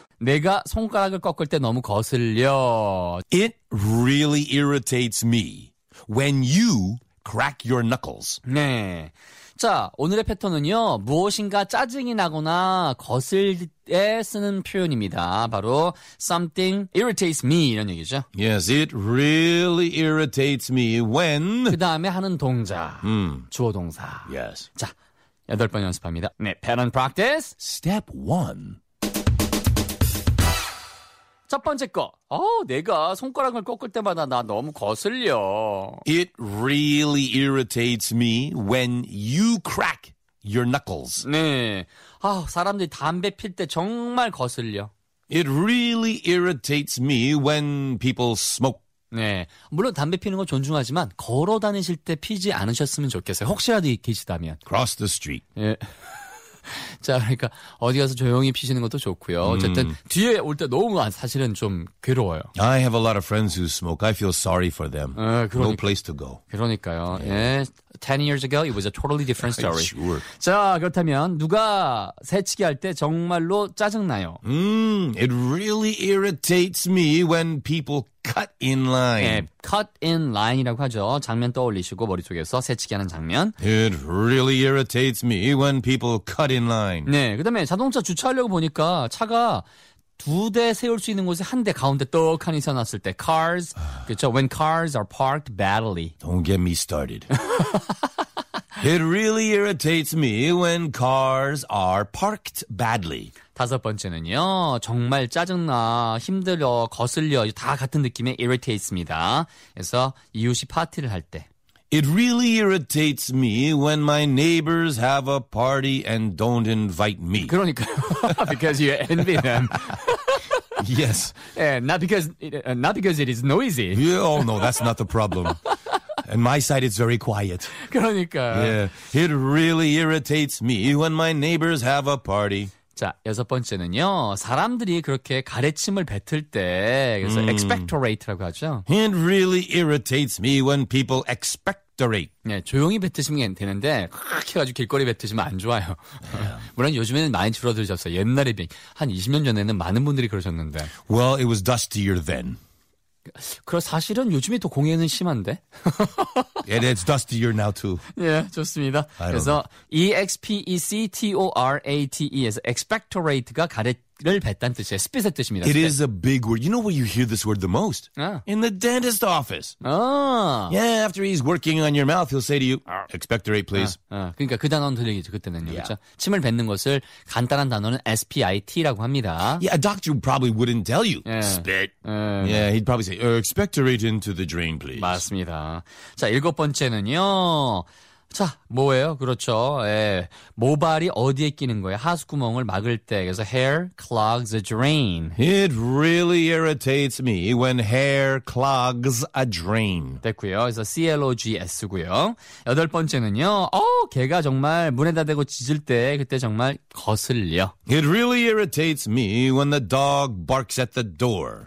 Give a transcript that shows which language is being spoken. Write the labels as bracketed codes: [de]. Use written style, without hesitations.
[ko] 내가 손가락을 꺾을 때 너무 거슬려. [en] It really irritates me when you crack your knuckles. [ko] 네. 자, 오늘의 패턴은요. 무엇인가 짜증이 나거나 거슬릴 때 쓰는 표현입니다. 바로 [en] something irritates me [ko] 이런 얘기죠. [en] Yes, it really irritates me when [ko] 그 다음에 하는 동사. 주어 동사. [en] Yes. [ko] 자, 여덟 번 연습합니다. 네, [en] pattern practice. Step 1. [ko] 첫 번째 거. 내가 손가락을 꺾을 때마다 나 너무 거슬려. [en] It really irritates me when you crack your knuckles. [ko] 네. 사람들이 담배 필 때 정말 거슬려. [en] It really irritates me when people smoke. [ko] 네. 물론 담배 피는 거 존중하지만 걸어 다니실 때 피지 않으셨으면 좋겠어요. 혹시라도 계시다면. [en] Cross the street. [ko] 네. 자, 그러니까 어디 가서 조용히 피시는 것도 좋고요. 어쨌든 뒤에 올 때 너무 사실은 좀 괴로워요. [en] I have a lot of friends who smoke. I feel sorry for them. [ko] 그러니까, [en] no place to go. [ko] 그러니까요. [en] Yeah. 예, 10 years ago, it was a totally different story. Sure. [ko] 자, 그렇다면 누가 새치기 할 때 정말로 짜증나요? [en] It really irritates me when people cut in line. [ko] 네, cut in line이라고 하죠. 장면 떠올리시고 머릿속에서 새치기 하는 장면. [en] It really irritates me when people cut in line. [ko] 네, 그 다음에 자동차 주차하려고 보니까 차가 두 대 세울 수 있는 곳에 한 대 가운데 떡하니 세워놨을 때 cars, 그렇죠? [en] When cars are parked badly. Don't get me started. It really irritates me when cars are parked badly. [ko] 다섯 번째는요. 정말 짜증나, 힘들어, 거슬려 다 같은 느낌의 irritates입니다. 그래서 이웃이 파티를 할 때. [en] It really irritates me when my neighbors have a party and don't invite me. [ko] 그러니까요. [en] Because you envy them. Yes. Yeah, not because it is noisy. Yeah, oh no, that's not the problem. And my side is very quiet. [ko] 그러니까. [en] Yeah. It really irritates me when my neighbors have a party. [ko] 자, 여섯 번째는요. 사람들이 그렇게 가래침을 뱉을 때, 그래서 expectorate라고 하죠. [en] It really irritates me when people expectorate. [ko] 네, 조용히 뱉으시면 되는데, 확 해가지고 길거리 뱉으시면 안 좋아요. [en] Yeah. [ko] 물론 요즘에는 많이 줄어들셨어요. 옛날에, 한 20년 전에는 많은 분들이 그러셨는데. [en] Well, it was dustier then. [ko] 그럼 사실은 요즘에 또 공해는 심한데. [en] And it's dustier now too. [ko] 예, 좋습니다. 그래서 expectorate에서 expectorate가 가래를 뱉다는 뜻이에요. Spit의 뜻입니다. [en] It is a big word. You know where you hear this word the most? In the dentist office. Yeah, after he's working on your mouth, he'll say to you, expectorate please. [ko] 그러니까 그 단어는 들리겠죠, 그때는요. 그렇죠? 침을 뱉는 것을 간단한 단어는 spit라고 합니다. [en] Yeah, a doctor probably wouldn't tell you. Spit. Yeah, he'd probably say, expectorate into the drain please. [ko] 맞습니다. 자, 일곱 번째는요. 자, 뭐예요? 그렇죠. 예. 모발이 어디에 끼는 거예요? 하수구멍을 막을 때. [en] 그래서 hair clogs a drain. It really irritates me when hair clogs a drain. [ko] 됐고요. 그래서 clogs고요. 여덟 번째는요. 개가 정말 문에다 대고 짖을 때 그때 정말 거슬려. [en] It really irritates me when the dog barks at the door.